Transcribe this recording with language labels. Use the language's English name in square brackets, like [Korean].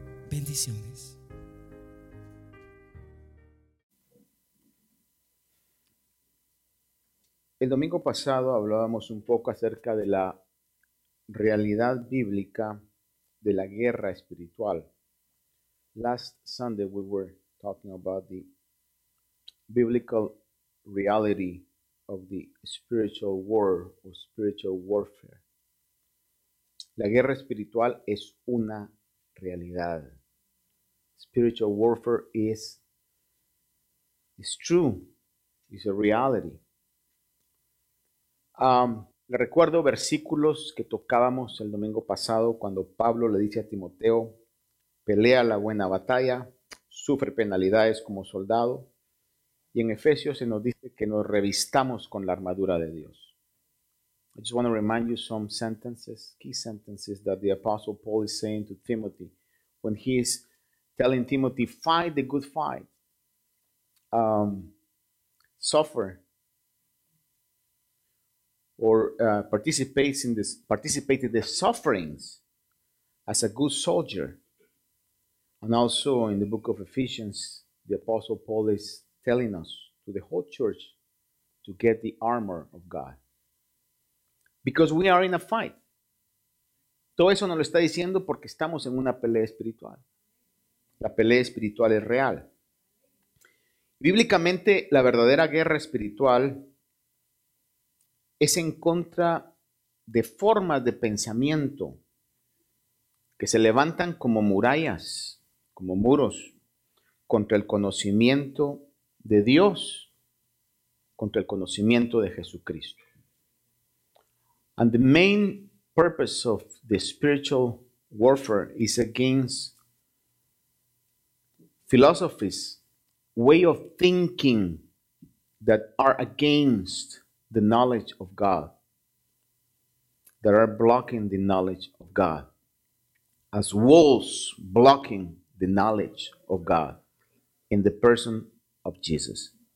[Spanish] Bendiciones. El domingo pasado hablábamos un poco acerca de la realidad bíblica de la guerra espiritual. [English] Last Sunday we were talking about the biblical reality of the spiritual war or spiritual warfare. [Spanish] La guerra espiritual es una realidad. [English] Spiritual warfare is true, is a reality. [Spanish] Le recuerdo versículos que tocábamos el domingo pasado cuando Pablo le dice a Timoteo, pelea la buena batalla, sufre penalidades como soldado. Y en Efesios se nos dice que nos revistamos con la armadura de Dios. [English] I just want to remind you some sentences, key sentences that the Apostle Paul is saying to Timothy when he is telling Timothy, fight the good fight. Suffer. Participate in the sufferings as a good soldier. And also in the book of Ephesians, the Apostle Paul is telling us to the whole church to get the armor of God. Because we are in a fight. [Spanish] Todo eso nos lo está diciendo porque estamos en una pelea espiritual. La pelea espiritual es real. Bíblicamente, la verdadera guerra espiritual es en contra de formas de pensamiento que se levantan como murallas, como muros, contra el conocimiento de Dios, contra el conocimiento de Jesucristo. [English] And the main purpose of the spiritual warfare is against philosophies, way of thinking that are against the knowledge of God, that are blocking the knowledge of God, as walls blocking the knowledge of God in the person of Jesus.